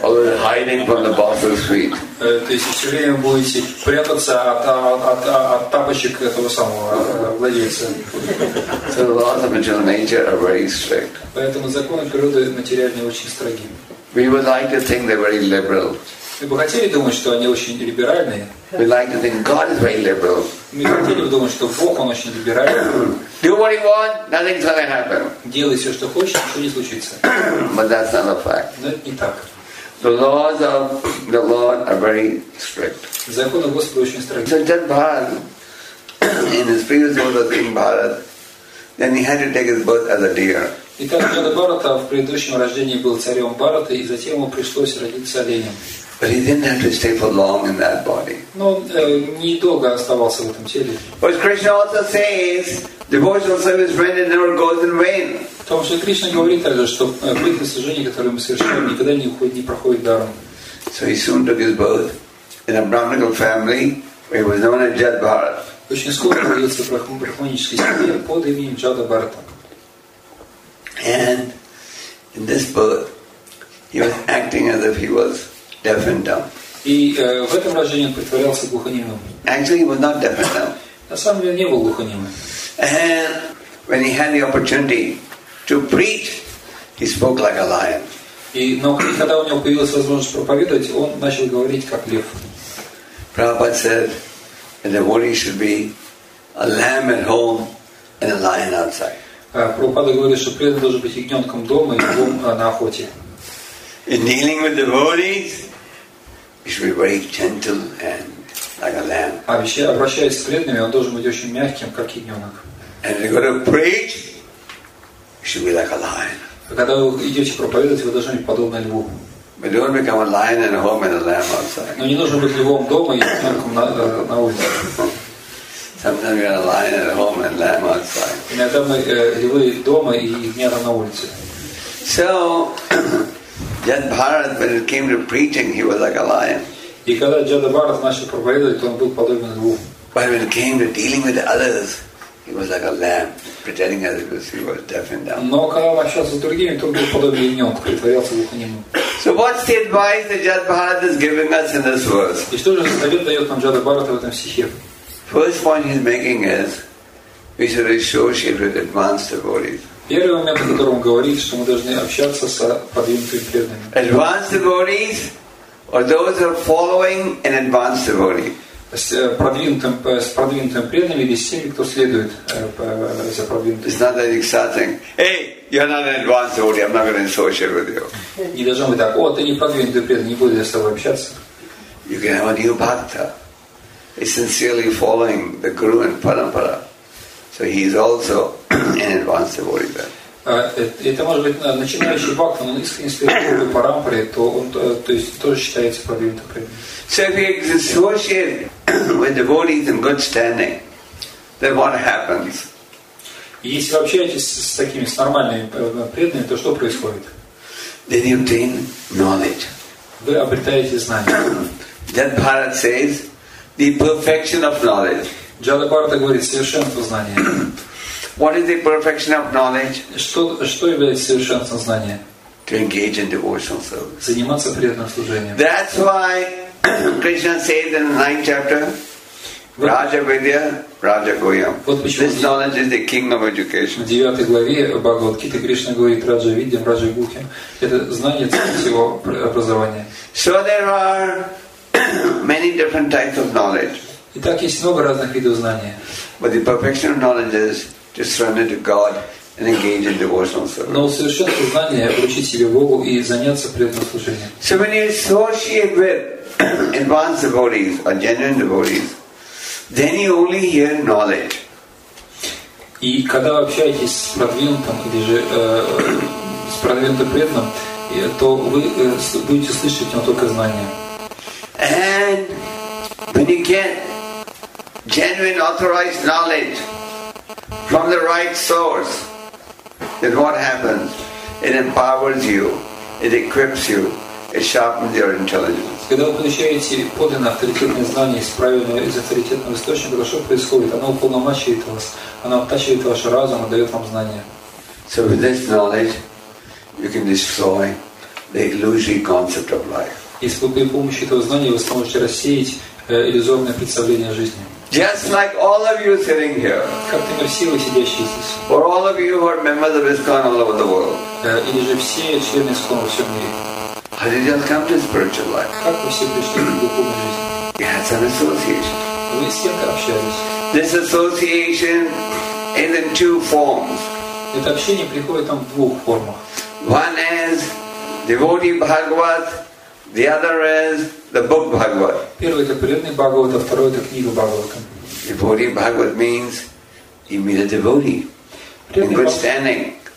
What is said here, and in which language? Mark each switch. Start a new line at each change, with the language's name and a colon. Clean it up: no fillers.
English: All the hiding from the boss's feet.
Russian: То есть все время будете прятаться от тапочек этого самого владельца.
English: So the laws of material nature are very strict.
Russian: Поэтому законы природы материальные очень строги.
English: We would like to think they're very liberal.
Russian: Мы бы хотели думать, что они очень либеральные.
English: We like to think God is very liberal.
Russian: Мы хотели бы думать, что Бог он очень либеральный.
English: Do what you want, nothing's gonna happen.
Russian: Делай все, что хочешь, ничего не случится.
English: But that's not a fact.
Russian: Но это не так.
English: The laws of the Lord are very strict.
Russian: Законы Господа очень строги.
English: So Jad Bhad, in his previous world of King Bharat, then he had to take his birth as a deer.
Russian: Итак, Джада Бхарата в предыдущем рождении был царем Бхарата, и затем ему пришлось родиться оленем.
English: But he didn't have to stay for long in that body.
Russian: Но недолго оставался в этом теле.
English: But Krishna also says, devotional service rendered never goes in vain.
Russian: Потому что Кришна говорит также, что бытие служение, которое мы совершаем, никогда не уходит, не проходит даром.
English: So he soon took his birth in a Brahminical family where he was known as Jada Bharat.
Russian: Очень скоро родился в брахманической семье под именем Джада Бхарата.
English: And in this birth, he was acting as if he was deaf and dumb.
Russian: И в этом рождении он притворялся глухонемым.
English: Actually, he was not deaf and dumb.
Russian: На самом деле не был глухонемым.
English: And when he had the opportunity to preach, he spoke like a lion.
Russian: Но когда у него появилась возможность проповедовать, он начал говорить как лев.
English: Prabhupada said, a devotee should be a lamb at home and a lion outside.
Russian: Прабхупада говорит, что преданный должен быть ягненком дома и львом на охоте.
English: In dealing with devotees, he should be very gentle and like a lamb.
Russian: Обращаясь с преданными, он должен быть очень мягким, как ягненок.
English: And if you're going to preach, you should be like a lion.
Russian: Когда вы идете проповедовать, вы должны быть подобны льву.
English: But don't become a lion at home and a lamb outside.
Russian: Но не должен быть львом дома и ягненком на улице.
English: Sometimes you're a lion at home and lamb outside.
Russian: Иногда мы львы дома и ягнята на улице.
English: So Jada Bharat, when it came to preaching, he was like a lion.
Russian: И когда Джада Бхарат начал проповедовать, он был подобен льву.
English: But when it came to dealing with others, he was like a lamb, pretending as if he was deaf and dumb.
Russian: Но когда он общался с другими, то он был подобен ягненку, притворялся глухонемым.
English: So what's the advice that Jada Bharat is giving us in this verse?
Russian: И что же совет дает нам Джада Бхарат в этом стихе?
English: First point he's making is we should associate with advanced devotees.
Russian: Первый момент, о котором он говорит, что мы должны общаться с продвинутыми преданными.
English: Advanced devotees or those who are following an advanced devotee.
Russian: с продвинутым преданным или с теми, кто следует за продвинутым.
English: It's not that exciting. Hey, you're not an advanced audience. I'm not going to associate with you.
Russian: Не должно быть так. О, ты не продвинутый преданный, не буду я с тобой общаться.
English: You can have a new bhakta. He's sincerely following the guru and parampara. So he's also an advanced devotee then.
Russian: Это может быть начинающий бхакта, но если следует по парампаре, то он тоже считается продвинутым преданным.
English: So if you associate with devotees in good standing, then what happens?
Russian: Если вы общаетесь с такими нормальными преданными, то что происходит?
English: Then you obtain knowledge.
Russian: Вы обретаете знания.
English: Then Bharat says the perfection of knowledge.
Russian: Джада Бхарата говорит совершенство знания.
English: What is the perfection of knowledge?
Russian: Что является совершенством знания?
English: To engage in devotional service.
Russian: Заниматься преданным служением.
English: That's why Krishna said in the 9th chapter, Raja Vidya, Raja Goyam. This knowledge is the king of education.
Russian: В 9 главе Бхагавад Гиты Кришна говорит Раджа Видья, Раджа Гухи. Это знание всего образования.
English: So there are many different types of knowledge.
Russian: Итак, есть много разных видов знания.
English: But the perfection of knowledge is to surrender to God and engage in devotional service.
Russian: Но совершенство знания обучить себе Богу и заняться преданным служением.
English: So when you associate with advanced devotees or genuine devotees, then you only hear knowledge.
Russian: И когда вы общаетесь с продвинутым или же с продвинутым преданным, то вы будете слышать только знания.
English: And when you get genuine authorized knowledge from the right source, then what happens? It empowers you, it equips you, it sharpens your intelligence.
Russian: Когда вы получаете подлинное авторитетное знание из правильного, из авторитетного источника, то что происходит? Оно уполномочивает вас, оно оттачивает ваш разум и дает вам знания.
English: So with this knowledge, you can destroy the illusory concept of life.
Russian: И с помощью этого знания вы сможете рассеять иллюзорное представление о жизни.
English: Just like all of you sitting here.
Russian: Как ты красиво сидящий здесь.
English: For all of you who are members of ISKCON all over the world.
Russian: Или же все члены ISKCON во всем мире.
English: How did you come to spiritual life?
Russian: Как вы все пришли в духовную жизнь?
English: You had some association.
Russian: Вы с кем-то общались.
English: This association is in two forms.
Russian: Это общение приходит там в двух формах.
English: One is devotee Bhagavat. The other is the book Bhagavad.
Russian: Первый это преданный Бхагавад, а второй это книга Бхагавата.
English: Devotee Bhagavad means you meet a devotee in good standing.